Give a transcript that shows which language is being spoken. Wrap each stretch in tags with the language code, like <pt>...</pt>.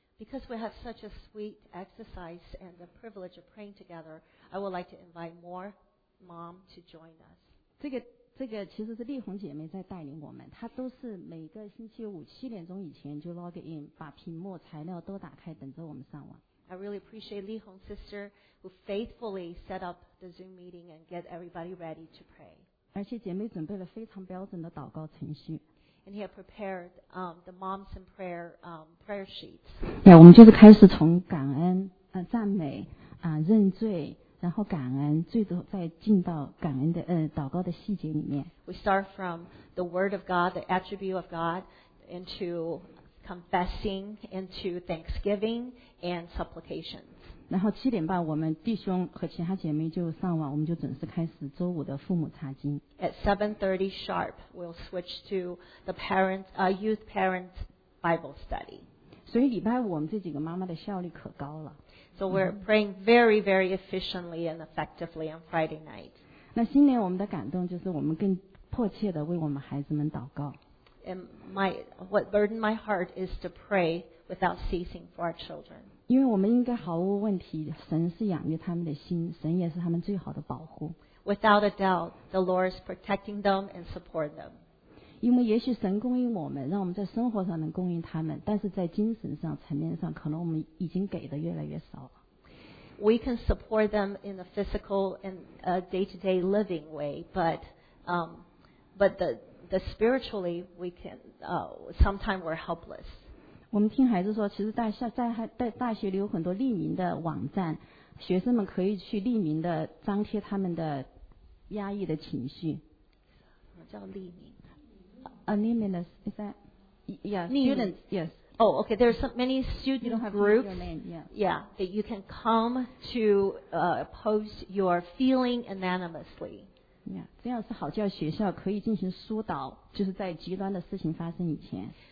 <en>Because we have such a sweet exercise and the privilege of praying together, I would like to invite more mom to join us.</en> <zh>这个其实是丽红姐妹在带领我们，她都是每个星期五7点钟以前就 log in， 把屏幕材料都打开，等着我们上网。</zh> <en>I really appreciate Li Hong's sister who faithfully set up the Zoom meeting and get everybody ready to pray.</en> <zh>而且姐妹准备了非常标准的祷告程序。</zh> <en>And he had prepared the moms and prayer sheets.</en> <zh>我们就是开始从感恩、赞美、认罪，然后感恩，最后再进到感恩的祷告的细节里面。</zh> <en>We start from the word of God, the attribute of God, into confessing, into thanksgiving and supplication.</en> <zh>然后7点半，我们弟兄和其他姐妹就上网，我们就准时开始周五的父母查经。</zh> <en>At 7:30 sharp, we'll switch to the parents, youth parents Bible study.</en> <zh>所以礼拜五我们这几个妈妈的效率可高了。</zh> <en>So we're praying very, very efficiently and effectively on Friday night.</en> <zh>那新年我们的感动就是我们更迫切的为我们孩子们祷告。</zh> <en>And what burdened my heart is to pray without ceasing for our children.</en> <zh>因为我们应该毫无问题，神是养育他们的心，神也是他们最好的保护。</zh> <en>Without a doubt, the Lord is protecting them and support them.</en> <zh>因为也许神供应我们，让我们在生活上能供应他们，但是在精神上层面上，可能我们已经给的越来越少了。</zh> <en>We can support them in a physical and a day-to-day living way, but the spiritually we can sometimes we're helpless.</en> <zh>我们听孩子说，其实大学里有很多匿名的网站，学生们可以去匿名的张贴他们的压抑的情绪。什么叫匿名</zh> <en>？Anonymous is that? Yeah, students. Yes. Oh, okay. There's so many student groups. Yeah, that you can come to post your feeling anonymously.</en> <zh>Yeah, 这样是好叫学校可以进行疏导，就是在极端的事情发生以前。</zh>